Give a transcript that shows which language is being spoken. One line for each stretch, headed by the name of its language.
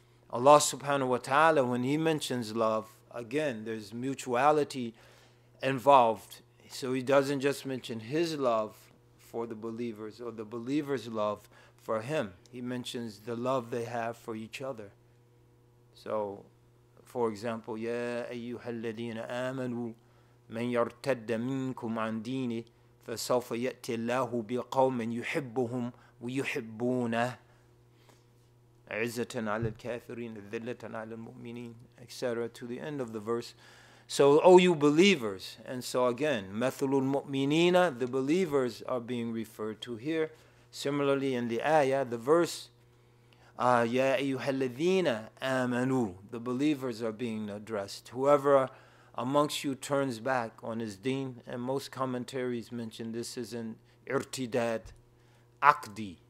English: Allah subhanahu wa ta'ala, when he mentions love, again, there's mutuality involved. So he doesn't just mention his love for the believers or the believers' love for him. He mentions the love they have for each other. So, for example,
Arabic: يَا أَيُّهَا الَّذِينَ آمَنُوا مَنْ يَرْتَدَّ مِنْكُمْ عَنْ دِينِ فَسَوْفَ يَأْتِ اللَّهُ بِقَوْمٍ يُحِبُّهُمْ وَيُحِبُّونَهُ عِزَّةً عَلَى الْكَافِرِينَ ذِلَّةً عَلَى الْمُؤْمِنِينَ
English: etc. to the end of the verse. So, oh, you believers, and so again,
Arabic: مَثُلُ الْمُؤْمِنِينَ
English: the believers are being referred to here. Similarly, in the ayah, the verse,
Arabic: يَا أَيُّهَا الَّذِينَ آمَنُوا
English: the believers are being addressed. Whoever amongst you turns back on his deen, and most commentaries mention this is an irtidad aqdi.